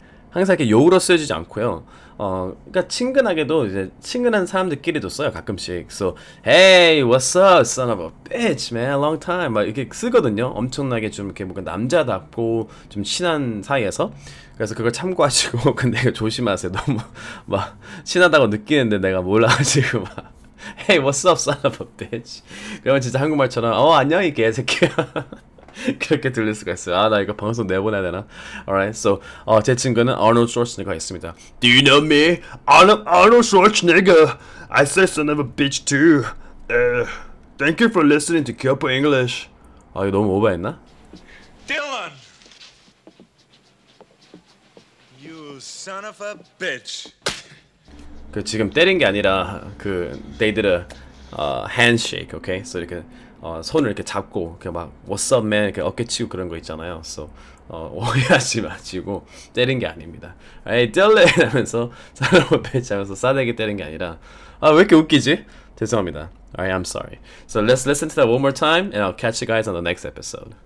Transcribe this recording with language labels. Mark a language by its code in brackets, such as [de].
[ko] 항상 이렇게 욕으로 쓰여지지 않고요. 그러니까 친근하게도 이제 친근한 사람들끼리도 써요, 가끔씩. [en] So, hey, what's up, son of a bitch, man, long time. [ko] 막 이렇게 쓰거든요. 엄청나게 좀 이렇게 뭔가 남자답고 좀 친한 사이에서. 그래서 그걸 참고하시고, 근데 이거 조심하세요. 너무 막 친하다고 느끼는데 내가 몰라가지고 막. [en] Hey, what's up, son of a bitch. [ko] 그러면 진짜 한국말처럼, 안녕, 이 개새끼야. 그렇게 들릴 수가 있어요. 나 이거 방송 내보내야 되나? Alright, so 제 친구는 Arnold Schwarzenegger가 있습니다. [en] Do you know me? I'm Arnold Schwarzenegger. I say son of a bitch too. Thank you for listening to Kyopo English. [ko] 이거 너무 오버했나? Dylan! [en] You son of a bitch. [ko] 그 지금 때린 게 아니라 그 [en] they did a handshake, okay? [ko] So 이렇게 손을 이렇게 잡고 그막 [en] what's up man [ko] 이렇게 어깨 치고 그런 거 있잖아요. So 오해하지 마시고 때린 게 아닙니다. 에이 딜레 하면서 사람을 배치하면서 싸대기 때린 게 아니라 아왜 이렇게 웃기지? 죄송합니다. [en] I am sorry. So let's listen to that one more time and I'll catch you guys on the next episode.